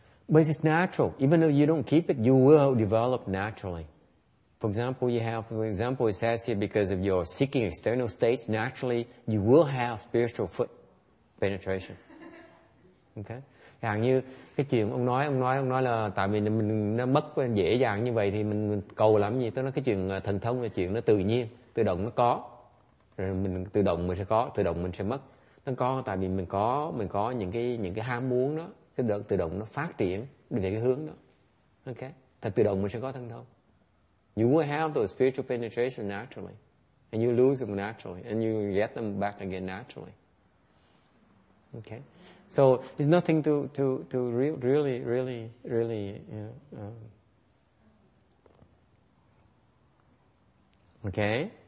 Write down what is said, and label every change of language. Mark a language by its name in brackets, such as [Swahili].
[English] But it's natural. Even though you don't keep it, you will develop naturally. For example, it says here, because of your seeking external states, naturally you will have spiritual foot penetration. Okay? [Vietnamese] Hàng như cái chuyện ông nói là tại vì mình nó mất dễ dàng như vậy thì mình cầu làm gì? Tức là cái chuyện thần thông là chuyện nó tự nhiên, tự động nó có. Rồi mình tự động mình sẽ có, tự động mình sẽ mất. Nó có tại vì mình có những cái ham muốn đó, cái đó tự động nó phát triển về cái hướng đó. Okay? Thật tự động mình sẽ có thần thông. [English] You will have those spiritual penetration naturally, and you lose them naturally, and you get them back again naturally. Okay, so it's nothing to really, you know.